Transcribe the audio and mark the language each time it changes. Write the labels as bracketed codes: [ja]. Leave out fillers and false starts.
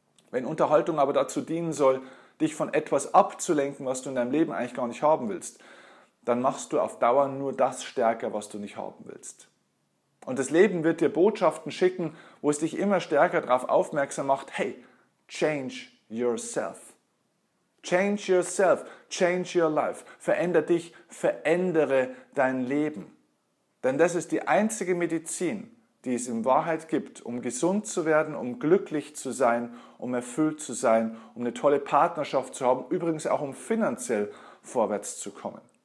[de] Wenn Unterhaltung aber dazu dienen soll, dich von etwas abzulenken, was du in deinem Leben eigentlich gar nicht haben willst, dann machst du auf Dauer nur das stärker, was du nicht haben willst. Und das Leben wird dir Botschaften schicken, wo es dich immer stärker darauf aufmerksam macht, hey, [en] change yourself. Change yourself, change your life. [de] Veränder dich, verändere dein Leben. Denn das ist die einzige Medizin, die es in Wahrheit gibt, um gesund zu werden, um glücklich zu sein, um erfüllt zu sein, um eine tolle Partnerschaft zu haben, übrigens auch um finanziell vorwärts zu kommen.